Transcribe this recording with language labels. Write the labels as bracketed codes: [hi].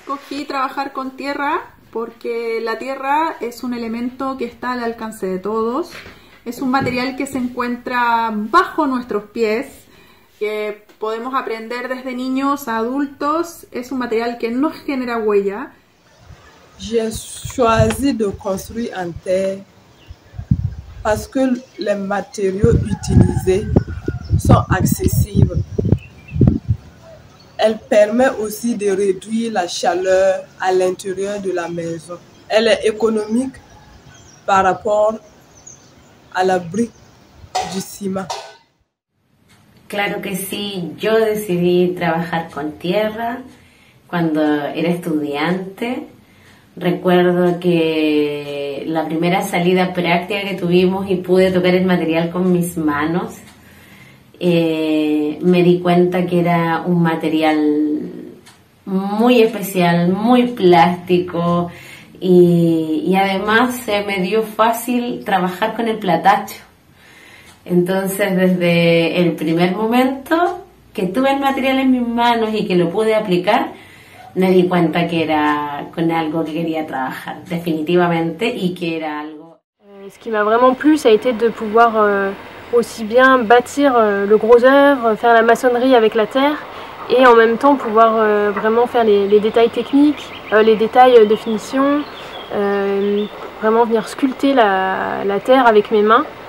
[es] Y trabajar con tierra porque la tierra es un elemento que está al alcance de todos, es un material que se encuentra bajo nuestros pies, que podemos aprender desde niños a adultos, es un material que no genera huella. [fr] J'ai choisi de construire en terre parce que les matériaux utilisés sont accessibles. Elle permet aussi de réduire la chaleur à l'intérieur de la maison. Elle est économique par rapport à la brique du ciment. [es] Claro que sí, yo decidí trabajar con tierra cuando era estudiante. Recuerdo que la primera salida práctica que tuvimos y pude tocar el material con mis manos. Me di cuenta que era un material muy especial, muy plástico y además se me dio fácil trabajar con el platacho. Entonces desde el primer momento que tuve el material en mis manos y que lo pude aplicar, me di cuenta que era con algo que quería trabajar definitivamente y que era algo... [fr] Ce qui m'a vraiment plu, ça a été de pouvoir... aussi bien bâtir le gros œuvre, faire la maçonnerie avec la terre et en même temps pouvoir vraiment faire les détails techniques, les détails de finition, vraiment venir sculpter la terre avec mes mains.